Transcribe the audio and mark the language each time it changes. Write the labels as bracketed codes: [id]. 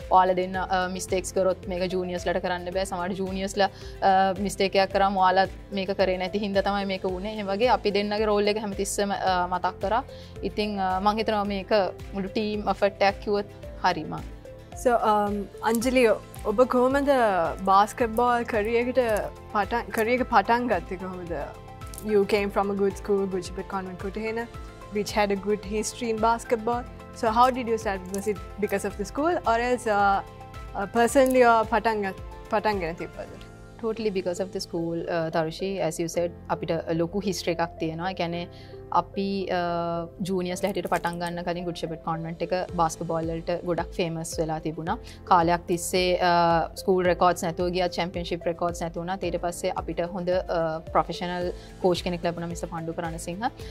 [si] ඔයාලා දෙන්න mistakes කරොත් මේක juniorsලට කරන්න බෑ. සමහර juniorsලා mistake එකක් කරාම ඔයාලා මේක කරේ නැති හින්දා තමයි මේක වුනේ. එහෙම වගේ අපි දෙන්නගේ role එක හැමතිස්සෙම මතක් කරා. ඉතින් මම හිතනවා මේක මුළු team effort එකක් කිව්වොත් හරි මං. So Anjalee, ඔබ කොහොමද basketball career එක පටන් ගත්තේ කොහොමද? [en] You came from a good school, which is the Convent Kutahena, which had a good history in basketball. So how did you start? Was it because of the school or else personally or [si] පටන් ගෙන තිබ්බද? [en] Totally because of the school, Tharushi. As you said, [si] අපිට ලොකු history එකක් තියෙනවා. ඒ කියන්නේ අපි ජූනියර්ස්ලා හැටියට පටන් ගන්න කලින් ගුඩ් ෂෙපර්ඩ් කාන්වෙන්ට් එක බාස්කට්බෝල් වලට ගොඩක් ෆේමස් වෙලා තිබුණා. කාලයක් තිස්සේ ස්කූල් රෙකෝඩ්ස් නැතුව ගියා, චැම්පියන්ෂිප් රෙකෝඩ්ස් නැතුව වුණා. ඊට පස්සේ අපිට හොඳ ප්‍රොෆෙෂනල් කෝච් කෙනෙක් ලැබුණා, මිස්ටර් පණ්ඩු ප්‍රණසිංහ.